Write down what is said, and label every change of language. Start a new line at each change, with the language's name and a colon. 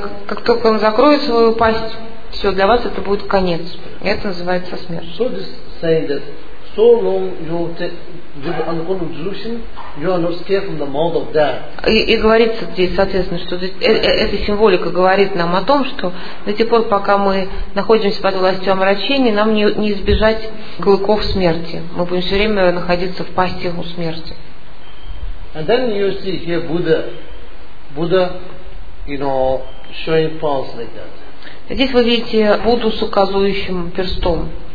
Russian: как только он закроет свою пасть, все, для вас это будет конец. И это называется смерть.
English: So this saying that so long you give unconditional devotion, you are not scared from the mouth of death.
Russian: И говорится здесь, соответственно, что эта символика говорит нам о том, что до тех пор, пока мы находимся под властью омрачения, нам не избежать клыков смерти. Мы будем все время находиться в пасти у смерти.
English: And then you see here Buddha, you know, showing palms like that.
Russian: Здесь вы видите Будду с указывающим перстом.